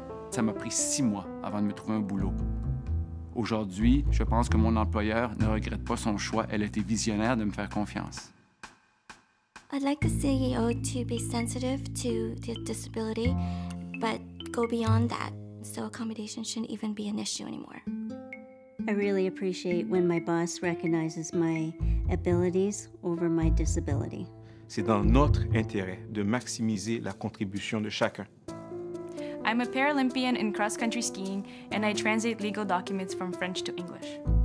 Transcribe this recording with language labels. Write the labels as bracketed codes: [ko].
[fr] Ça m'a pris 6 mois avant de me trouver un boulot. Aujourd'hui, je pense que mon employeur ne regrette pas son choix. Elle a été visionnaire de me faire confiance. [en] I'd like the CEO to be sensitive to the disability, but go beyond that, so accommodation shouldn't even be an issue anymore. I really appreciate when my boss recognizes my abilities over my disability. [fr] C'est dans notre intérêt de maximiser la contribution de chacun. [en] I'm a Paralympian in cross-country skiing, and I translate legal documents from French to English.